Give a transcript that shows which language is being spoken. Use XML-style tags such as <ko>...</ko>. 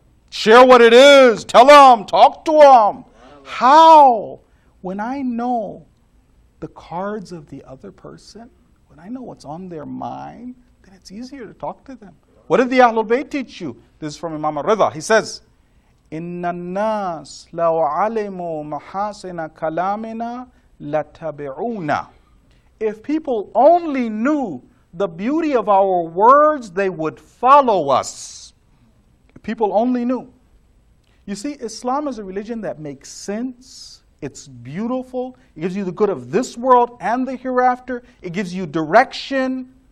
<en>Share what it is. Tell them. Talk to them. How? When I know the cards of the other person, when I know what's on their mind, then it's easier to talk to them. What did the Ahlul Bayt teach you? This is from Imam al-Ridha. He says,</en> <ar>إِنَّ النَّاسَ لَوْ عَلِمُوا مَحَاسِنَ كَلَامِنَا لَتَبِعُونَا.</ar> <en>If people only knew the beauty of our words, they would follow us. If people only knew. You see, Islam is a religion that makes sense. It's beautiful. It gives you the good of this world and the hereafter. It gives you direction.</en>